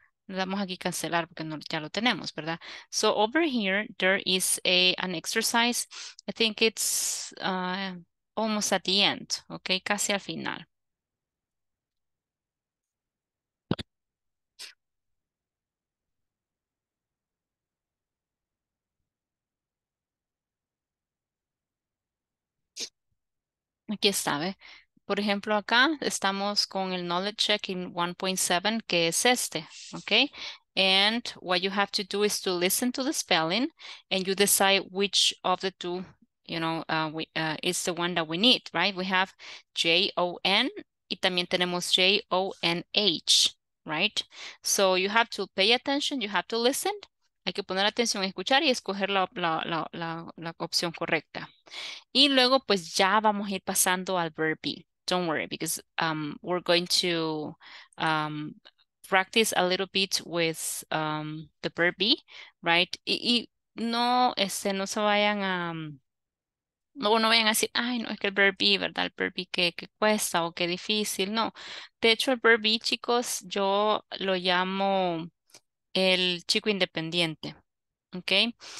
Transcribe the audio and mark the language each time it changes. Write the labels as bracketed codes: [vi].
[es] Damos aquí cancelar porque no, ya lo tenemos, ¿verdad? [en] So over here, there is an exercise. I think it's almost at the end, okay? [es] Casi al final. Aquí está, ¿ve? Por ejemplo, acá estamos con el knowledge check in 1.7, que es este, okay? [en] And what you have to do is to listen to the spelling and you decide which of the two, you know, is the one that we need, right? We have J-O-N [es] y también tenemos [en] J-O-N-H, right? So you have to pay attention, you have to listen. [es] Hay que poner atención, escuchar y escoger la opción correcta. Y luego, pues ya vamos a ir pasando al verb be. [en] Don't worry, because we're going to practice a little bit with the verb be, right? [es] Y no, no se vayan a, no vayan a decir, ay, no, es que el verb be, ¿verdad? El verb be que cuesta o que difícil. No, de hecho, el verb be, chicos, yo lo llamo el chico independiente, ¿ok?